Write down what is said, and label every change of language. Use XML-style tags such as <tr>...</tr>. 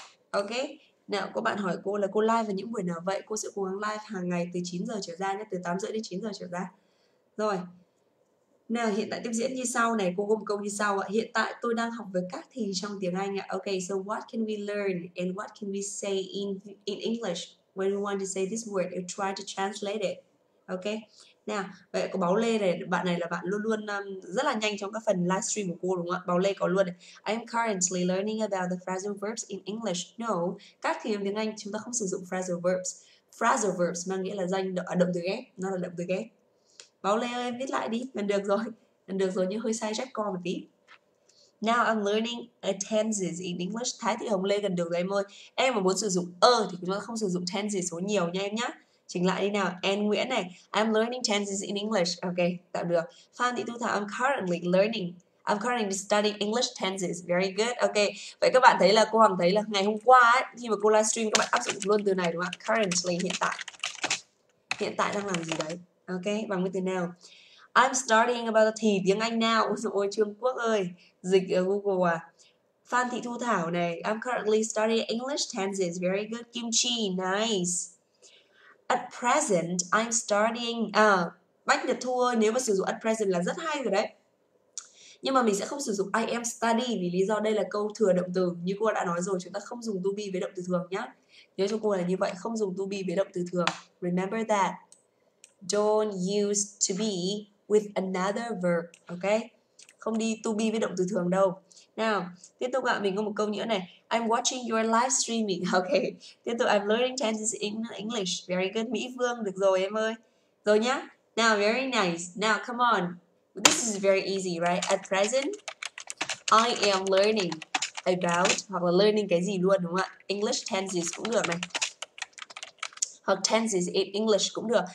<vi>Ok. Nào, các bạn hỏi cô là cô live vào những buổi nào vậy? Cô sẽ cố gắng live hàng ngày từ 9 giờ trở ra nhé, từ 8 rưỡi đến 9 giờ trở ra. Rồi. Nào, hiện tại tiếp diễn như sau này, cô gồm câu như sau ạ. Hiện tại tôi đang học về các thì trong tiếng Anh ạ.</vi> <en>Ok, so what can we learn and what can we say in English when we want to say this word and try to translate it? Ok.</en> <vi>Nào, vậy có Báo Lê này, bạn này là bạn luôn luôn rất là nhanh trong các phần livestream của cô đúng không ạ? Báo Lê có luôn này.</vi> <en>I'm currently learning about the phrasal verbs in English.</en> <vi>No, các thì tiếng Anh chúng ta không sử dụng phrasal verbs. Phrasal verbs mang nghĩa là danh động từ ghép, nó là động từ ghép. Báo Lê ơi, viết lại đi, gần được rồi. Gần được rồi nhưng hơi sai chắc con một tí.</vi> <en>Now I'm learning a tenses in English. Thái Thị Hồng Lê</en> <vi>gần được rồi em ơi. Em mà muốn sử dụng thì chúng ta không sử dụng tenses số nhiều nha em nhé. Chỉnh lại đi nào. Anh Nguyễn này,</vi> <en>I'm learning tenses in English. Ok,</en> <vi>tạm được.</vi> <en>Phan Thị Thu Thảo, I'm currently studying English tenses. Very good. Ok.</en> <vi>Vậy các bạn thấy là cô Hoàng thấy là ngày hôm qua ấy, khi mà cô livestream các bạn áp dụng luôn từ này đúng không ạ? Currently, hiện tại. Hiện tại đang làm gì đấy? Ok, bằng với từ nào?</vi> <en>I'm studying about</en> <vi>thì tiếng Anh</vi> <en>now.</en> <vi>Ôi Trương Quốc ơi, dịch ở Google à.</vi> <en>Phan Thị Thu Thảo này, I'm currently studying English tenses. Very good. Kim Chi, nice. At present, I'm studying.</en> <vi>Bách Nhật Thu ơi, nếu mà sử dụng at present là rất hay rồi đấy. Nhưng mà mình sẽ không sử dụng</vi> <en>I am study</en> <vi>vì lý do đây là câu thừa động từ. Như cô đã nói rồi, chúng ta không dùng to be với động từ thường nhá. Nhớ cho cô là như vậy, không dùng to be với động từ thường.</vi> <en>Remember that. Don't use to be with another verb, okay?</en> <vi>Không đi to be với động từ thường đâu. Nào, tiếp tục ạ, mình có một câu nữa này.</vi> <en>I'm watching your live streaming. Ok,</en> <vi>tiếp tục,</vi> <en>I'm learning tenses in English. Very good,</en> <vi>Mỹ Phương, được rồi em ơi. Rồi nhá.</vi> <en>Now, very nice. Now, come on. This is very easy, right? At present, I am learning about,</en> <vi>hoặc là learning cái gì luôn, đúng không ạ? English tenses cũng được này. Hoặc tenses in English cũng được.</vi>